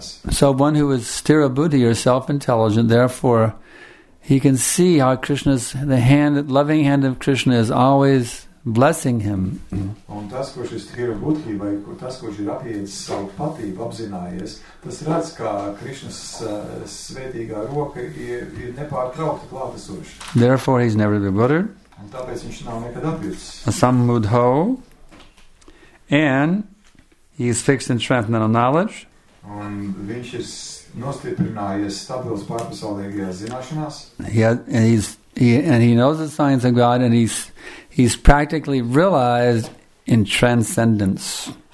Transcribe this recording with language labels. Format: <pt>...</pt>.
<en>So one who is stirabuddhi or self-intelligent, therefore, he can see how Krishna's, the hand, loving hand of Krishna is always blessing him.</en> <lv>Un tas, kurš ir tikai būtība, vai tas, kurš ir apiets savu patību, apzinājies, tas redz, ka Krišnas svētīgā roka ir nepārtraukta klātesoša.</lv> <en>Therefore, he's never bewildered.</en> <lv>Un tāpēc viņš nav nekad apjūts.</lv> <sa>A sammūdho.</sa> <en>And he is fixed in transcendental knowledge.</en> <lv>Un viņš ir nostiprinājies stabils pārpasaulīgajās zināšanās.</lv> <en>He knows the science of God, and he's practically realized in transcendence.</en>